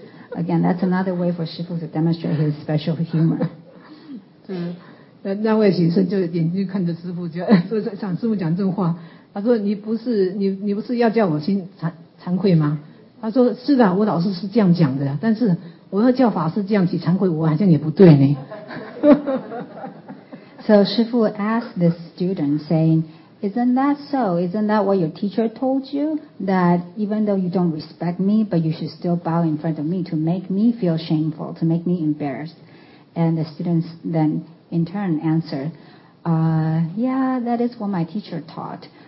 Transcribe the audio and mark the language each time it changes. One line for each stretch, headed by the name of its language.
English: Again, that's another way for Shifu to demonstrate his special humor.
Chinese: 那位学生就眼睛看着师父，就想师父讲这话。他说，你不是要叫我心惭愧吗？他说是的，我老师是这样讲的，但是我要叫法师这样去忏悔，我好像也不对呢。
English: So 师父 asked this student saying, Isn't that so? Isn't that what your teacher told you? That even though you don't respect me, but you should still bow in front of me to make me feel shameful, to make me embarrassed. And the students then in turn answered, Yeah, that is what my teacher taught.